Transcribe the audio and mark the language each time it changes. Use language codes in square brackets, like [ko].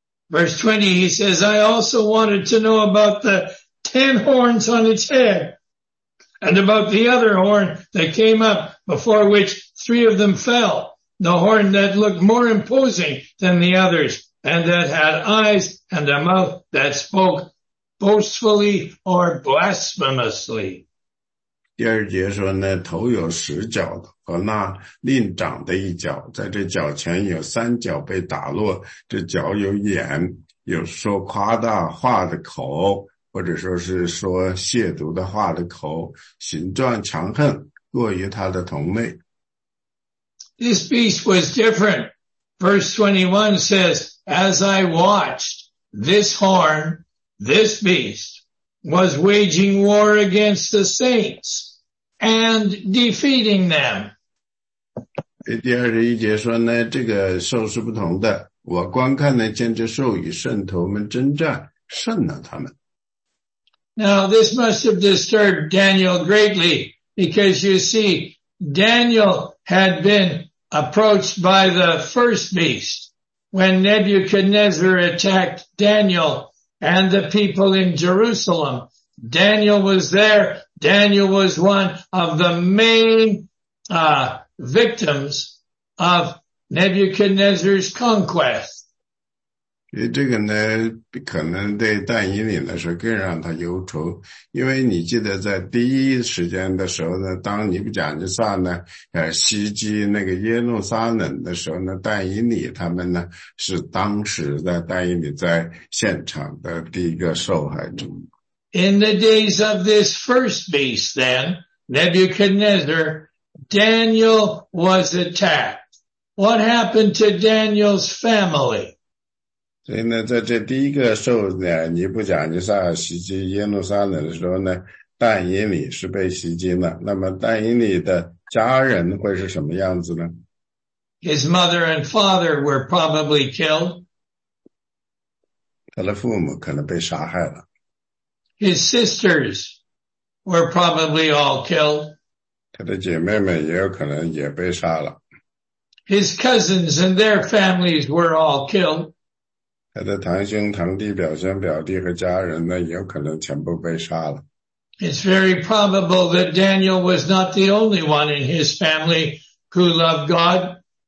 [en] Verse 20, he says, I also wanted to know about the 10 horns on its head and about the other horn that came up before which 3 of them fell, the horn that looked more imposing than the others and that had eyes and a mouth that spoke boastfully or blasphemously. [zh] 第二节说呢，头有十角和那另长的一角，在这角前有三角被打落，这角有眼，有说夸大话的口，或者说是说亵渎的话的口，形状强横，过于他的同类。 [en] This beast was different. Verse 21 says, As I watched, this horn, this beast, was waging war against the saints. And defeating them. [zh] 第21节说呢，这个兽是不同的。我观看呢，见这兽与圣徒们征战，胜了他们。 [en] Now this must have disturbed Daniel greatly, because you see, Daniel had been approached by the first beast when Nebuchadnezzar attacked Daniel and the people in Jerusalem. Daniel was there. Daniel was one of the main, victims of Nebuchadnezzar's conquest. [zh] 这个呢，可能对但以理来说更让他忧愁，因为你记得在第一时间的时候呢，当尼布甲尼撒呢，袭击那个耶路撒冷的时候呢，但以理他们呢，是当时的但以理在现场的第一个受害者。 [en] In the days of this first beast then, Nebuchadnezzar, Daniel was attacked. What happened to Daniel's family? [zh] 所以呢，在这第一个兽呢，尼布甲尼撒袭击耶路撒冷的时候呢，但以理是被袭击了。那么但以理的家人会是什么样子呢？ [en] His mother and father were probably killed. [zh] 他的父母可能被杀害了。 [en] His sisters were probably all killed. [zh] 他的姐妹们也有可能也被杀了。 [en] His cousins and their families were all killed. [zh] 他的堂兄、堂弟、表兄、表弟和家人呢，也有可能全部被杀了。 [en] It's very probable that Daniel was not the only one in his family who loved God.